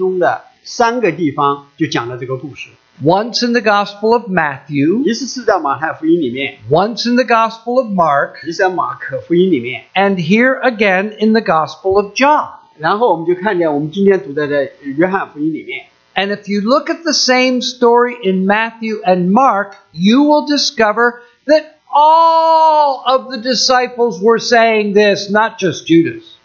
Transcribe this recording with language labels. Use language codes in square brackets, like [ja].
[zh] 因为这个故事是如此的重要，圣经就感动写圣经的人，在圣经中的三个地方就讲了这个故事。 [en] Once in the Gospel of Matthew, [zh] 一次是在马太福音里面, [en] once in the Gospel of Mark, [zh] 一次在马可福音里面, [en] and here again in the Gospel of John. [zh] 然后我们就看见我们今天读的在约翰福音里面。 [en] And if you look at the same story in Matthew and Mark, you will discover that all of the disciples were saying this, not just Judas.